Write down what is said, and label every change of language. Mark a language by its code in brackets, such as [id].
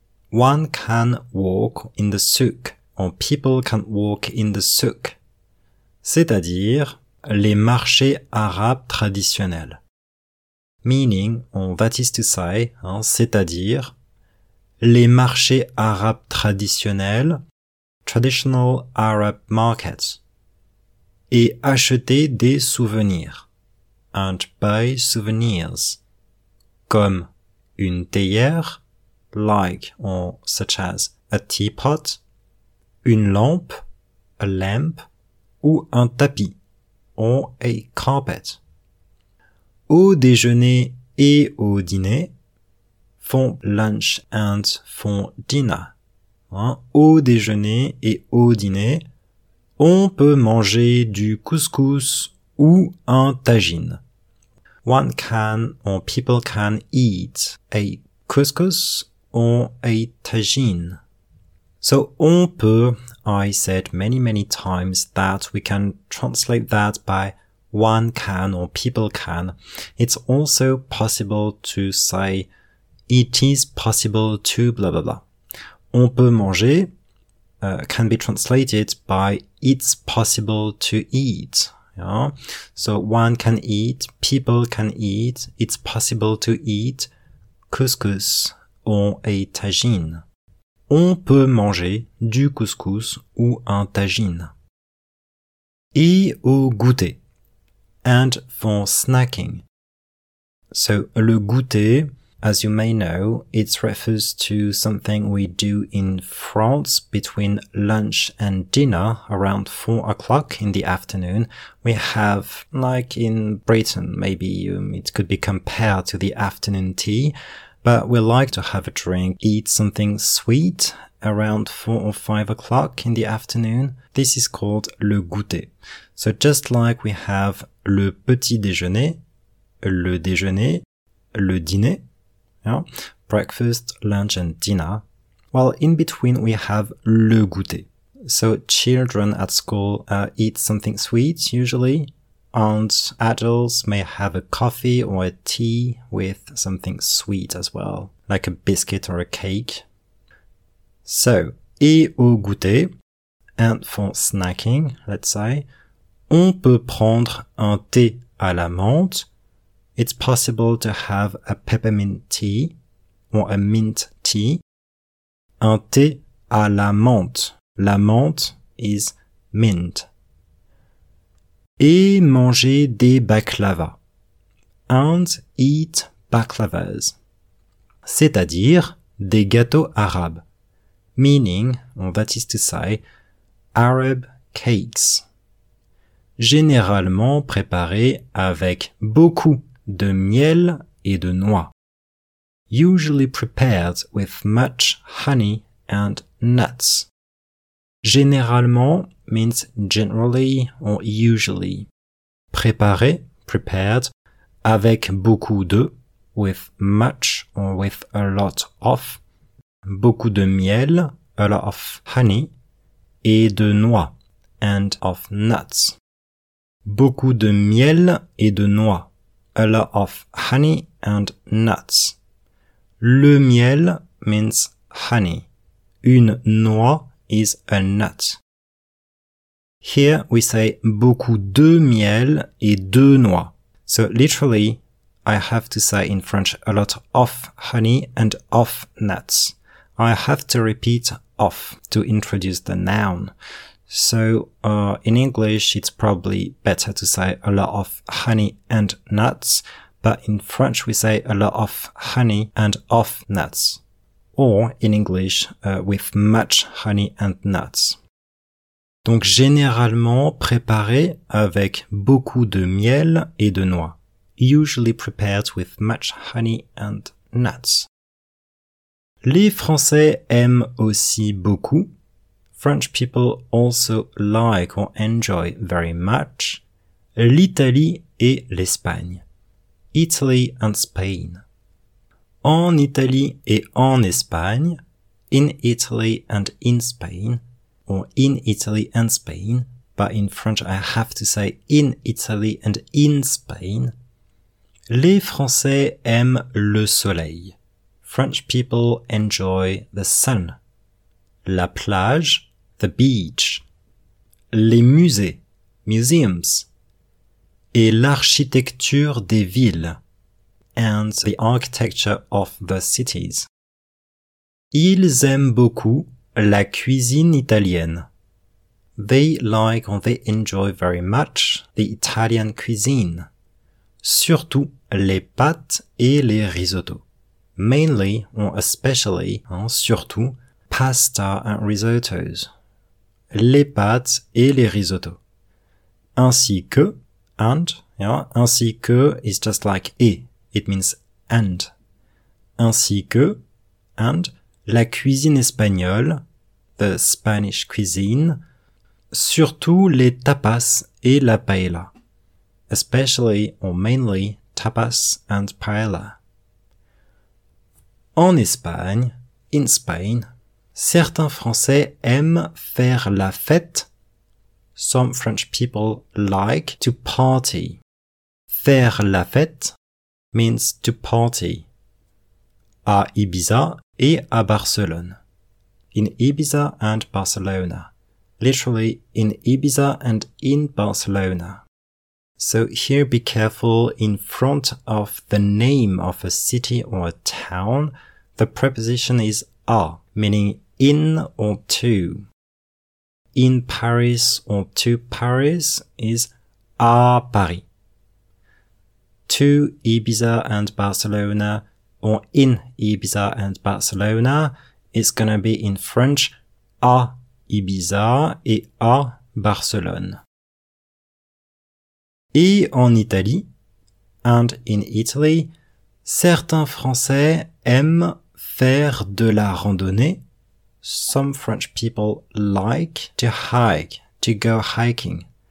[en] One can walk in the souk. Or people can walk in the souk. [fr] C'est-à-dire les marchés arabes traditionnels. [en] meaning, or that is to say, [fr] hein, c'est-à-dire, les marchés arabes traditionnels, [en] traditional Arab markets, [fr] et acheter des souvenirs, [en] and buy souvenirs, [fr] comme une théière, [en] like, or such as a teapot, [fr] une lampe, [en] a lamp, [fr] ou un tapis, [en] or a carpet. [fr] Au déjeuner et au dîner, font [en] lunch and font dinner. [fr] Hein, au déjeuner et au dîner, on peut manger du couscous ou un tagine. [en] One can or people can eat a couscous or a tagine. So on peut, I said many many times that we can translate that by one can or people can. It's also possible to say it is possible to blah blah blah. [fr] On peut manger [en] can be translated by it's possible to eat. Yeah? So one can eat, people can eat, it's possible to eat couscous or a tagine. [fr] On peut manger du couscous ou un tagine. Et au goûter. [en] And for snacking. So le goûter, as you may know, it refers to something we do in France between lunch and dinner around 4 o'clock in the afternoon. We have, like in Britain, maybe it could be compared to the afternoon tea, but we like to have a drink, eat something sweet around 4 or 5 o'clock in the afternoon. This is called le goûter. So just like we have le petit déjeuner, le déjeuner, le dîner, yeah, breakfast, lunch and dinner. Well, in between we have le goûter. So children at school eat something sweet usually, and adults may have a coffee or a tea with something sweet as well, like a biscuit or a cake. [fr] So, et au goûter, [en] and for snacking, let's say, [fr] on peut prendre un thé à la menthe. [en] It's possible to have a peppermint tea or a mint tea. [fr] Un thé à la menthe. La menthe [en] is mint. [fr] Et manger des baklava. [en] And eat baklavas. [fr] C'est-à-dire des gâteaux arabes. [en] Meaning, or that is to say, Arab cakes. [fr] Généralement préparés avec beaucoup de miel et de noix. [en] Usually prepared with much honey and nuts. Généralement means generally or usually. Préparé, prepared, [fr] avec beaucoup de, [en] with much or with a lot of, [fr] beaucoup de miel, [en] a lot of honey, [fr] et de noix, [en] and of nuts. [fr] Beaucoup de miel et de noix. [en] A lot of honey and nuts. Le miel means honey. Une noix is a nut. Here we say [fr] beaucoup de miel et de noix. [en] So literally, I have to say in French a lot of honey and of nuts. I have to repeat of to introduce the noun. So in English, it's probably better to say a lot of honey and nuts, but in French we say a lot of honey and of nuts, or in English with much honey and nuts. [fr] Donc généralement préparé avec beaucoup de miel et de noix. [en] Usually prepared with much honey and nuts. [fr] Les Français aiment aussi beaucoup. [en] French people also like or enjoy very much [fr] l'Italie et l'Espagne. [en] Italy and Spain. [fr] En Italie et en Espagne, [en] in Italy and in Spain, or in Italy and Spain, but in French I have to say in Italy and in Spain, [fr] les Français aiment le soleil. [en] French people enjoy the sun. [fr] La plage, [en] the beach, [fr] les musées, [en] museums, [fr] et l'architecture des villes, [en] and the architecture of the cities. [fr] Ils aiment beaucoup la cuisine italienne. [en] They like or they enjoy very much the Italian cuisine. [fr] Surtout les pâtes et les risottos. [en] Mainly or especially, surtout, pasta and risottos. [fr] Les pâtes et les risottos. [en] Ainsi que, and, ainsi que is just like et, it means and. [fr] Ainsi que, and, la cuisine espagnole, [en] the Spanish cuisine, [fr] surtout les tapas et la paella. [en] Especially or mainly tapas and paella. [fr] En Espagne, [en] in Spain, [fr] certains Français aiment faire la fête. [en] Some French people like to party. Faire la fête means to party. [fr] À Ibiza et à Barcelone. [en] In Ibiza and Barcelona. Literally, in Ibiza and in Barcelona. So here be careful in front of the name of a city or a town. The preposition is à, meaning in or to. In Paris or to Paris is à Paris. To Ibiza and Barcelona or in Ibiza and Barcelona is gonna be in French [fr] à Ibiza et à Barcelone. Et en Italie, [en] and in Italy, [fr] certains Français aiment faire de la randonnée. [en] Some French people like to hike, to go hiking.